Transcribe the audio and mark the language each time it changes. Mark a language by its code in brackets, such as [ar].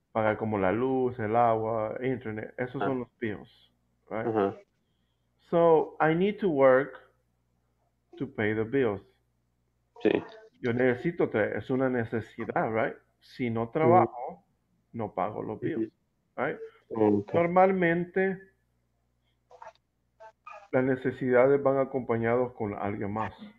[es] Pagar como la luz, el agua, internet, esos son los bills, right? [en] So, I need to work to pay the bills. [es] Sí. Yo necesito, es una necesidad, right? Si no trabajo, no pago los bills, right? Normalmente las necesidades van acompañadas con alguien más.